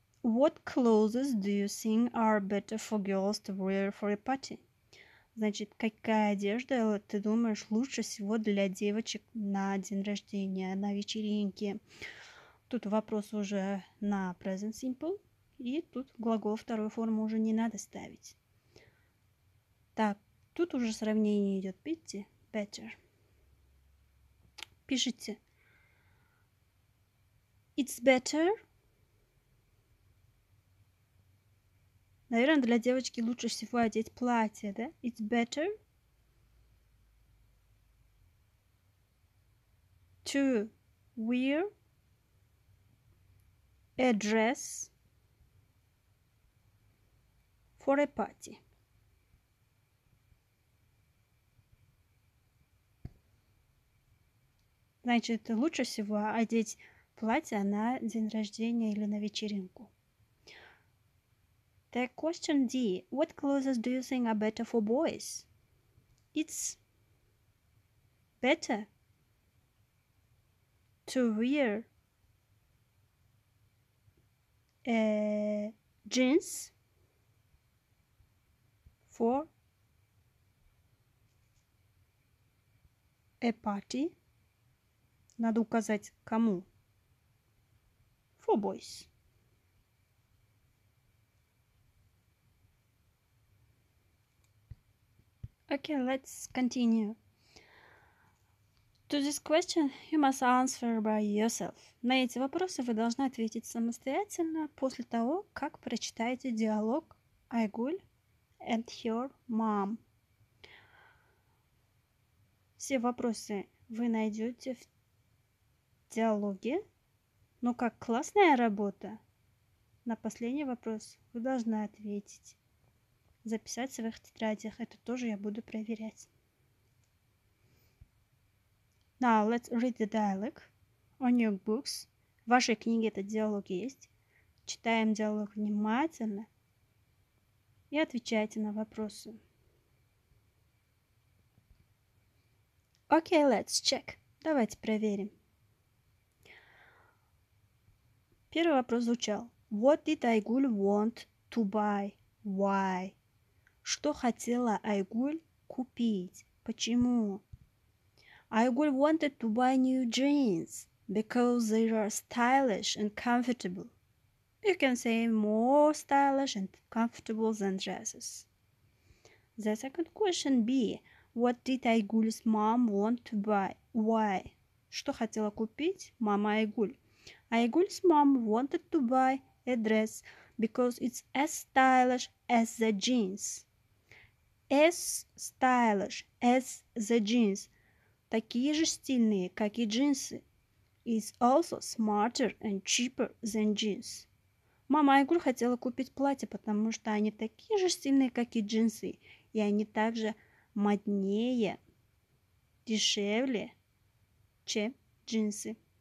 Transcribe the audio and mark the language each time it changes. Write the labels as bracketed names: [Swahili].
[English] What clothes do you think are better for girls to wear for a party? [Russian] Значит, какая одежда, ты думаешь, лучше всего для девочек на день рождения, на вечеринке? Тут вопрос уже на present simple. И тут глагол второй формы уже не надо ставить. Так. Тут уже сравнение идет. Видите? Better. Пишите. [English] It's better. [Russian] Наверное, для девочки лучше всего одеть платье, да? [English] It's better to wear a dress for a party. [Russian] Значит, лучше всего одеть платье на день рождения или на вечеринку. [English] The question D. What clothes do you think are better for boys? It's better to wear jeans for a party. [Russian] Надо указать, кому. [English] For boys. Okay, let's continue. To this question, you must answer by yourself. [Russian] На эти вопросы вы должны ответить самостоятельно после того, как прочитаете диалог Айгуль [English] and her mom. [Russian] Все вопросы вы найдете в диалоги. Ну как, классная работа? На последний вопрос вы должны ответить. Записать в своих тетрадях. Это тоже я буду проверять. [English] Now let's read the dialogue on your books. [Russian] В вашей книге этот диалог есть. Читаем диалог внимательно. и отвечайте на вопросы. [English] Okay, let's check. [Russian] Давайте проверим. Первый вопрос звучал. [English] What did Айгуль want to buy? Why? [Russian] Что хотела Айгуль купить? Почему? [English] Айгуль wanted to buy new jeans because they are stylish and comfortable. You can say more stylish and comfortable than dresses. The second question B. What did Айгуль's mom want to buy? Why? [Russian] Что хотела купить мама Айгуль? [English] Айгуль's mom wanted to buy a dress because it's as stylish as the jeans. As stylish as the jeans. [Russian] Такие же стильные, как и джинсы. [English] It's also smarter and cheaper than jeans. [Russian] Мама Айгуль хотела купить платье, потому что они такие же стильные, как и джинсы. И они также моднее, дешевле, чем джинсы.